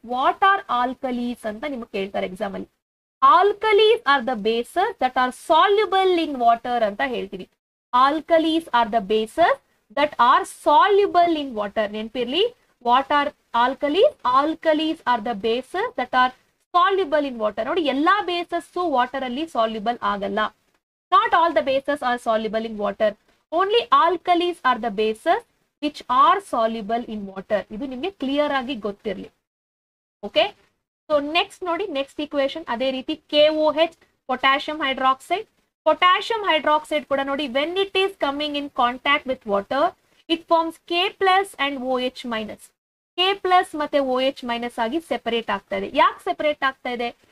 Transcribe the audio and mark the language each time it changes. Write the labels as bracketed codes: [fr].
[en] what are alkalis [kn] ಅಂತ ನಿಮ್ಗೆ ಕೇಳ್ತಾರೆ ಎಕ್ಸಾಮ್ ಅಲ್ಲಿ. [en] Alkalis are the bases that are soluble in water ಅಂತ ಹೇಳ್ತೀವಿ. Alkalis are the bases that are soluble in water. ನೆನ್ಪಿರ್ಲಿ, what are alkalis? Alkalis are the bases that are soluble in water. [kn] ನೋಡಿ, ಎಲ್ಲಾ basis water ಅಲ್ಲಿ soluble ಆಗಲ್ಲ. [en] Not all the bases are soluble in water. Only alkalis are the bases which are soluble in water. [kn] ಇದು ನಿಮಗೆ clear ಆಗಿ ಗೊತ್ತಿರಲಿ. Okay, so next ನೋಡಿ, next equation ಅದೇ ರೀತಿ KOH, potassium hydroxide. Potassium hydroxide ಕೂಡ ನೋಡಿ, [en] When it is coming in contact with water it forms K+ and OH-. [kn] K+ ಮತ್ತೆ OH- ಆಗಿ ಸೆಪರೇಟ್ ಆಗ್ತಾ ಇದೆ. ಯಾಕೆ ಸೆಪರೇಟ್ ಆಗ್ತಾ ಇದೆ?